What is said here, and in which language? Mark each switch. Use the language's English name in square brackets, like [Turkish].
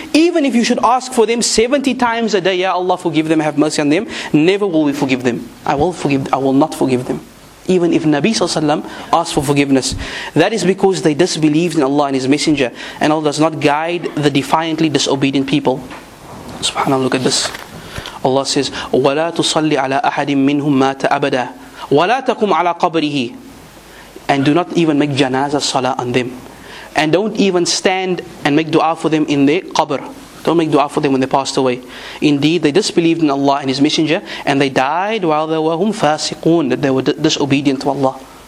[English] Even if you should ask for them 70 times a day, Ya Allah, forgive them, have mercy on them. Never will we forgive them. I will not forgive them. Even if Nabi Sallallahu Alaihi Wasallam asked for forgiveness. That is because they disbelieved in Allah and His Messenger. And Allah does not guide the defiantly disobedient people. SubhanAllah, look at this. Allah says, [Arabic] وَلَا تُصَلِّ عَلَىٰ أَحَدٍ مِّنْهُمْ مَاتَ أَبَدًا وَلَا تَكُمْ عَلَىٰ قَبْرِهِ. [English] And do not even make janazah salah on them. And don't even stand and make dua for them in their qabr. Don't make dua for them when they passed away. Indeed, they disbelieved in Allah and His Messenger, and they died while they were fasiqoon, that they were disobedient to Allah.